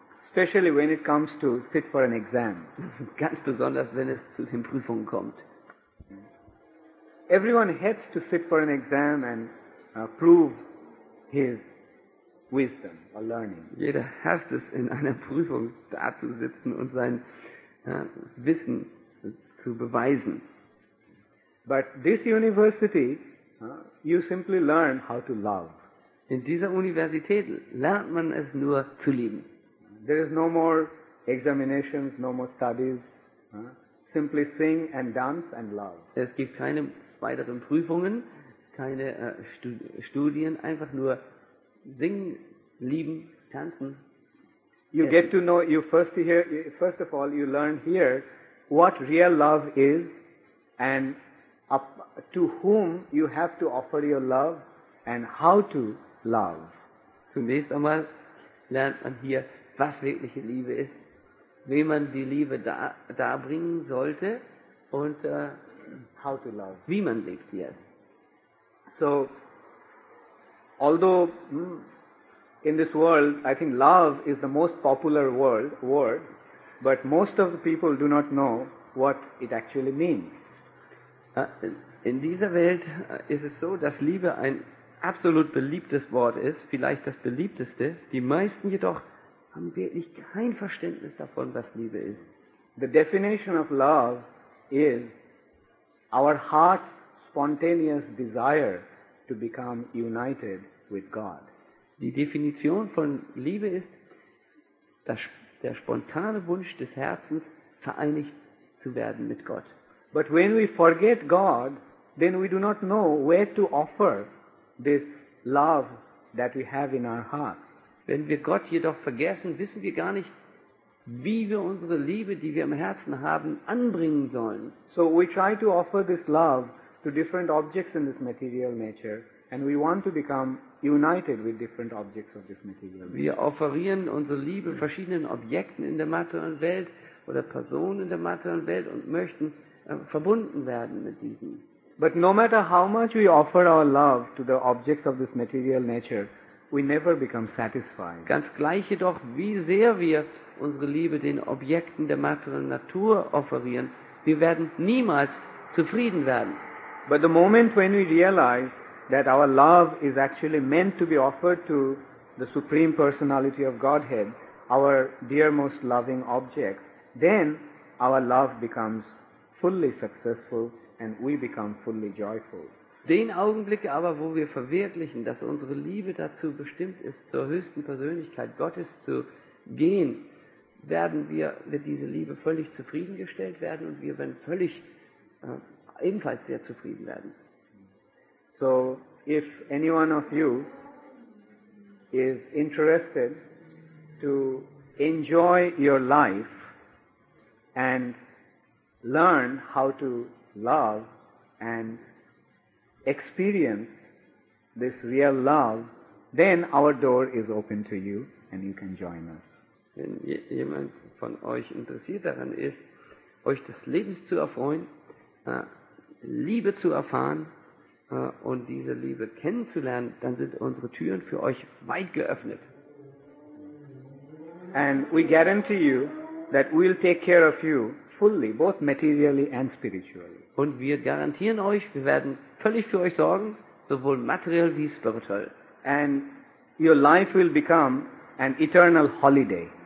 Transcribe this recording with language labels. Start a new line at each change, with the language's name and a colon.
English: Especially when it comes to sit for an exam.
German: Ganz besonders, wenn es zu den Prüfungen kommt.
English: Everyone hates to sit for an exam and prove his wisdom or learning.
German: Jeder hasst es, in einer Prüfung dazusitzen und sein Wissen zu beweisen.
English: But this university, you simply learn how to love.
German: In dieser Universität lernt man es nur zu lieben.
English: There is no more examinations, no more studies. Simply sing and dance and love.
German: Es gibt keine weiteren Prüfungen, keine Studien, einfach nur singen, lieben, tanzen.
English: You get to know you first here. First of all, you learn here what real love is, and to whom you have to offer your love, and how to love.
German: Zunächst einmal lernt man hier, was wirkliche Liebe ist, wie man die Liebe darbringen sollte und
English: how to love.
German: Wie man liebt hier.
English: So, although in this world, I think love is the most popular word, but most of the people do not know what it actually means.
German: In dieser Welt ist es so, dass Liebe ein absolut beliebtes Wort ist, vielleicht das beliebteste. Die meisten jedoch haben wirklich kein Verständnis davon, was Liebe ist.
English: The definition of love is our heart's spontaneous desire to become united with God.
German: Die Definition von Liebe ist der spontane Wunsch des Herzens, vereinigt zu werden mit Gott.
English: But when we forget God, then we do not know where to offer this love that we have in our heart.
German: Wenn wir Gott jedoch vergessen, wissen wir gar nicht, wie wir unsere Liebe, die wir im Herzen haben, anbringen sollen.
English: So we try to offer this love to different objects in this material nature, and we want to become united with different objects of this material nature.
German: Wir offerieren unsere Liebe verschiedenen Objekten in der materiellen Welt oder Personen in der materiellen Welt und möchten verbunden werden mit diesen.
English: But no matter how much we offer our love to the objects of this material nature, we never become satisfied.
German: Ganz gleich jedoch, wie sehr wir unsere Liebe den Objekten der materiellen Natur offerieren, wir werden niemals zufrieden werden.
English: But the moment when we realize that our love is actually meant to be offered to the Supreme Personality of Godhead, our dear most loving object, then our love becomes fully successful and we become fully joyful.
German: Den Augenblick aber, wo wir verwirklichen, dass unsere Liebe dazu bestimmt ist, zur höchsten Persönlichkeit Gottes zu gehen, werden wir mit dieser Liebe völlig zufriedengestellt werden und wir werden völlig ebenfalls sehr zufrieden werden.
English: So, if any one of you is interested to enjoy your life and learn how to love and experience this real love, then our door is open to you and you can join us.
German: Wenn jemand von euch interessiert daran ist, euch des Lebens zu erfreuen, Liebe zu erfahren und diese Liebe kennenzulernen, dann sind unsere Türen für euch weit geöffnet.
English: And we guarantee you that we'll take care of you fully, both materially and spiritually.
German: Und wir garantieren euch, wir werden völlig für euch sorgen, sowohl materiell wie spirituell.
English: And your life will become an eternal holiday.